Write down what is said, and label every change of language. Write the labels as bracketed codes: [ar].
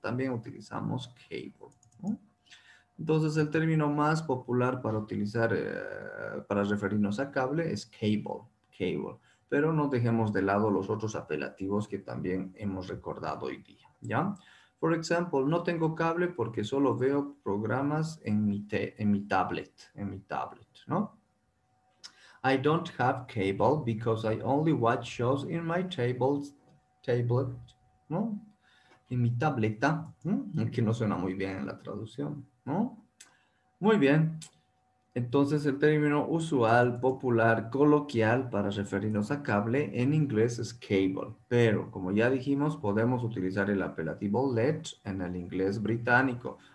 [es] También utilizamos cable, ¿no? Entonces, el término más popular para utilizar, para referirnos a cable, es cable, cable. Pero no dejemos de lado los otros apelativos que también hemos recordado hoy día, ¿ya? [en] For example, [es] no tengo cable porque solo veo programas en mi tablet, ¿no? [en] I don't have cable because I only watch shows in my tablet, ¿no? [es] En mi tableta, que no suena muy bien en la traducción, ¿no? Muy bien. Entonces, el término usual, popular, coloquial para referirnos a cable en inglés es cable. Pero, como ya dijimos, podemos utilizar el apelativo let en el inglés británico.